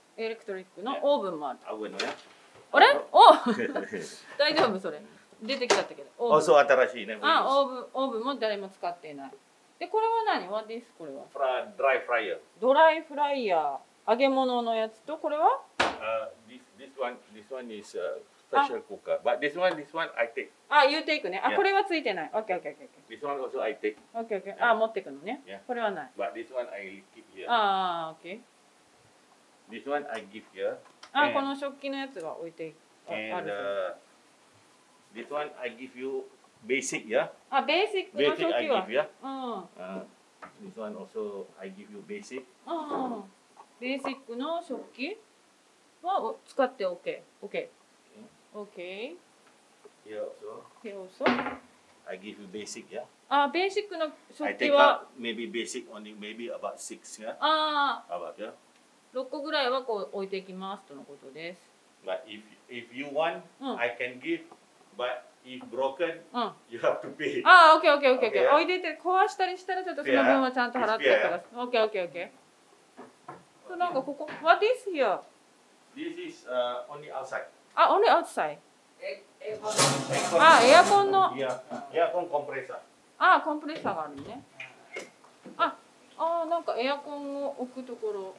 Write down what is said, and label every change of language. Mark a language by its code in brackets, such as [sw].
[ja] エレクトリックのオーブンもある。オーブンね。あれ？お。大丈夫それ。出てきちゃったけど。あ、そう新しいね。あ、オーブンも誰も使っていない。で、これは何？ [en] What is [ja] これは？ドライフライヤー。ドライフライヤー。揚げ物のやつと、これは？ [en] This one is a special cooker. But this one I take. [ja] あ、 [en] you take [ja] ね。あ、これはついてない。 [en] OK, OK, OK. This one also I take. [ja] OK, OK. あ、持ってくのね。これはない。 [en] But this one I keep here. [ja] ああ、OK. [en] This one I give here. [ja] あ、この食器のやつが置いてある。 [en] And this one I give you. Basic, yeah? Ah, basic. Basic, I give, yeah? Mm. This one also, I give you basic. [ja] Basic の食器は使って OK. [en] OK. OK. Here also. Here also. I give you basic, yeah? [ja] Ah, basic の食器は [en] I take up maybe basic only, maybe about 6, yeah? Ah. About, yeah? [ja] 6個ぐらいはこう置いていきますとのことです。 [en] But if you want, I can give, but... If broken,、you have to pay. ああ、OK, OK, OK, OK. [ja] 置いていて、壊したりしたら、ちょっとその分はちゃんと払ってください。OK, OK, OK. そう、なんかここ、 [en] What is here? This is only outside. あ、only outside? [ja] エアコン。あ、エアコンの。エアコンコンプレッサー。あ、コンプレッサーがあるね。ああ、なんかエアコンを置くところ。